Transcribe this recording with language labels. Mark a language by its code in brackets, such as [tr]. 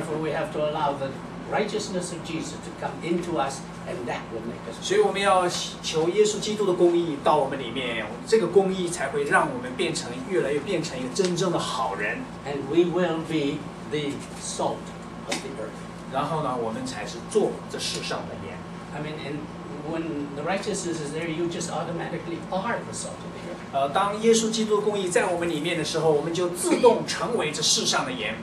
[en] Therefore, we have to allow the righteousness of Jesus to come into us, and that will make us good. [zh] 所以我们要求耶稣基督的公义到我们里面，这个公义才会让我们变成越来越变成一个真正的好人。 [en] And we will be the salt of the earth. [zh] 然后呢，我们才是做这世上的盐。 [en] I mean, and when the righteousness is there, you just automatically are the salt of the earth. [zh] 当耶稣基督的公义在我们里面的时候，我们就自动成为这世上的盐。